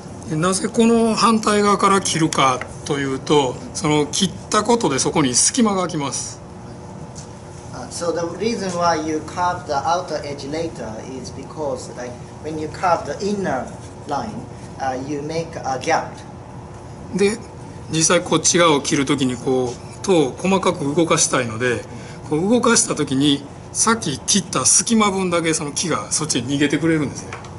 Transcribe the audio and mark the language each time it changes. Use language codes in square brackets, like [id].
[ja] なぜこの反対側から切るかというと、その切ったことでそこに隙間が空きます。 [en] So the reason why you carve the outer edge later is because like when you carve the inner line, you make a gap. [ja] で、実際こっち側を切るときにこう刀を細かく動かしたいので、こう動かしたときにさっき切った隙間分だけその木がそっちに逃げてくれるんですね。